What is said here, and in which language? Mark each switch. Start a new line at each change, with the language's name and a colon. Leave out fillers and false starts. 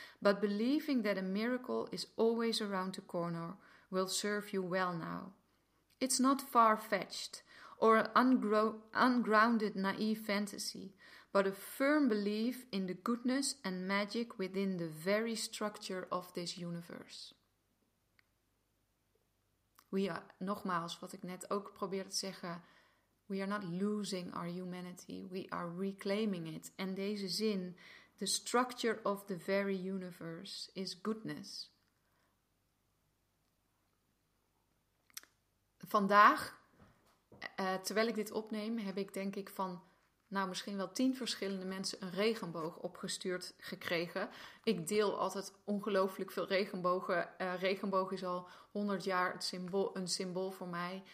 English: But believing that a miracle is always around the corner will serve you well now. It's not far-fetched or an ungrounded naive fantasy, but a firm belief in the goodness and magic within the very structure of this universe.
Dutch: Nogmaals, wat ik net ook probeerde te zeggen.
English: We are not losing our humanity. We are reclaiming it.
Dutch: En deze zin.
English: The structure of the very universe is goodness.
Dutch: Vandaag, terwijl ik dit opneem, heb ik denk ik van, nou, misschien wel 10 verschillende mensen een regenboog opgestuurd gekregen. Ik deel altijd ongelooflijk veel regenbogen. Regenboog is al 100 jaar een symbool voor mij.